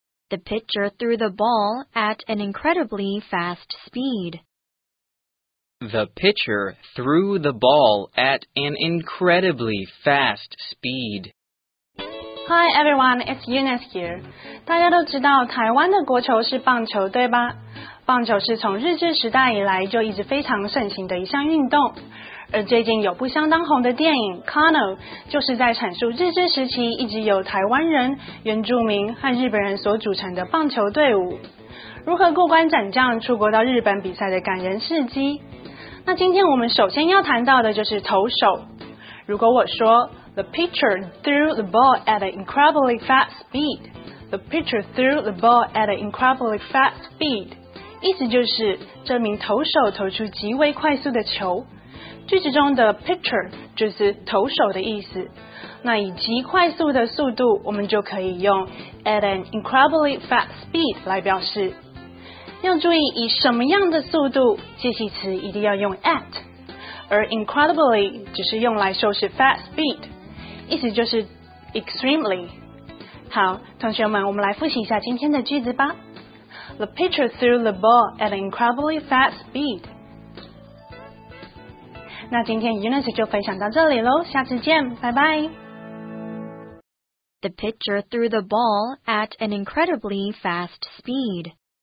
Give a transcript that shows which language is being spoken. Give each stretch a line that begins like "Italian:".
English: The pitcher threw the ball at an incredibly fast speed. The pitcher threw the ball at an incredibly fast speed. Hi everyone, it's Eunice here.
Chinese: 大家都知道台湾的国球是棒球，对吧？棒球是从日治时代以来就一直非常盛行的一项运动，而最近有部相当红的电影《Kano》，就是在阐述日治时期一直由台湾人、原住民和日本人所组成的棒球队伍，如何过关斩将出国到日本比赛的感人事迹。那今天我们首先要谈到的就是投手。如果我说
English: The pitcher threw the ball at an incredibly fast speed, The pitcher threw the ball at an incredibly fast speed,
Chinese: 意思就是这名投手投出极为快速的球。句子中的 pitcher 就是投手的意思，那以极快速的速度我们就可以用
English: at an incredibly fast speed
Chinese: 来表示。要注意以什么样的速度，介系词一定要用 at， 而 incredibly 只是用来修饰 fast speed， 意思就是 extremely。好，同学们，我们来复习一下今天的句子吧。
English: The pitcher threw the ball at an incredibly fast speed。
Chinese: 那今天 Eunice 就分享到这里咯，下次见，拜拜。
English: The pitcher threw the ball at an incredibly fast speed